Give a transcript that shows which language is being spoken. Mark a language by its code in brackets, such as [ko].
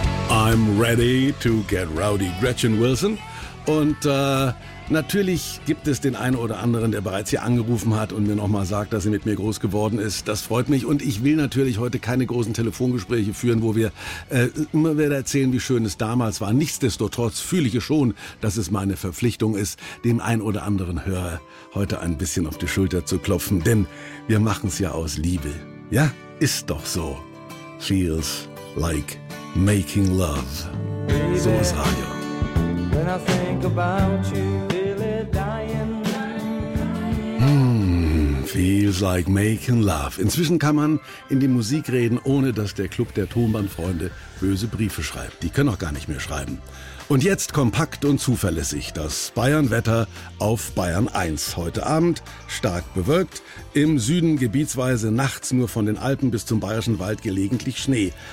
[en] I'm ready to get rowdy, Gretchen Wilson. [de] Und natürlich gibt es den einen oder anderen, der bereits hier angerufen hat und mir nochmal sagt, dass sie mit mir groß geworden ist. Das freut mich. Und ich will natürlich heute keine großen Telefongespräche führen, wo wir immer wieder erzählen, wie schön es damals war. Nichtsdestotrotz fühle ich es schon, dass es meine Verpflichtung ist, dem einen oder anderen Hörer heute ein bisschen auf die Schulter zu klopfen. Denn wir machen es ja aus Liebe. Ja, ist doch so. [en] Feels like making love. Baby, so is Radio. When I think about you, feel it dying. Feels like making love. [de] Inzwischen kann man in die Musik reden, ohne dass der Club der Tonbandfreunde böse Briefe schreibt. Die können auch gar nicht mehr schreiben. Und jetzt kompakt und zuverlässig das Bayern-Wetter auf Bayern 1. Heute Abend stark bewölkt, im Süden gebietsweise nachts nur von den Alpen bis zum Bayerischen Wald gelegentlich Schnee.